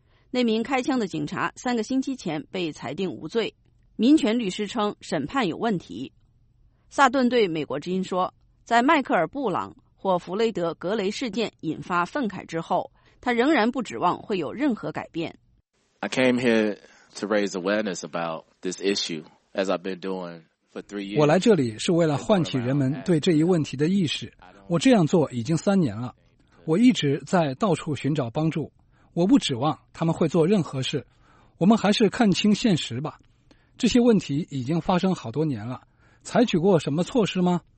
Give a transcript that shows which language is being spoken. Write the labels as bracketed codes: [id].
[zh] 那名开枪的警察三个星期前被裁定无罪，民权律师称审判有问题。萨顿对美国之音说，在迈克尔·布朗或弗雷德·格雷事件引发愤慨之后，他仍然不指望会有任何改变。 [en] I came here to raise awareness about this issue. [zh] 我来这里是为了唤起人们对这一问题的意识。我这样做已经3年了，我一直在到处寻找帮助。我不指望他们会做任何事，我们还是看清现实吧。这些问题已经发生好多年了，采取过什么措施吗？